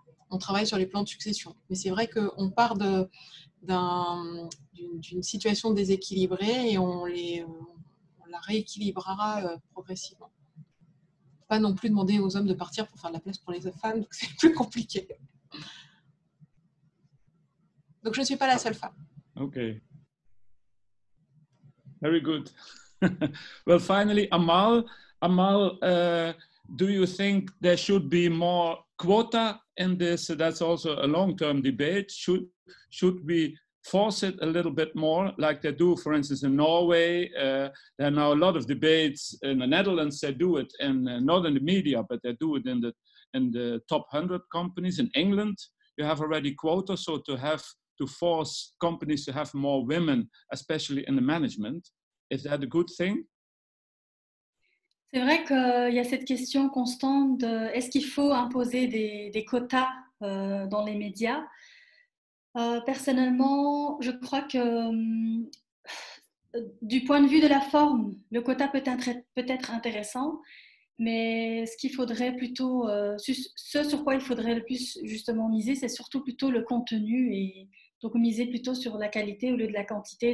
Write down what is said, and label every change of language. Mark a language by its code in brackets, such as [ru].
[fr] On travaille sur les plans de succession. Mais c'est vrai qu'on part d'une situation déséquilibrée et on la rééquilibrera progressivement. Pas non plus demander aux hommes de partir pour faire de la place pour les femmes, donc c'est plus compliqué. Donc je ne suis pas la seule femme. [en] Ok. Very good. Well, finally, Amal, do you think there should be more quota in this? That's also a long-term debate. Should we force it a little bit more, like they do, for instance, in Norway? There are now a lot of debates in the Netherlands. They do it in Northern media, but they do it in the top 100 companies. In England, you have already quota, so to force companies to have more women, especially in the management. Is that a good thing? [fr] C'est vrai qu'il y a cette question constante de est-ce qu'il faut imposer des quotas dans les médias? Personnellement, je crois que du point de vue de la forme, le quota peut être intéressant, mais ce qu'il faudrait plutôt, ce sur quoi il faudrait le plus justement miser, c'est surtout plutôt le contenu et donc miser plutôt sur la qualité au lieu de la quantité.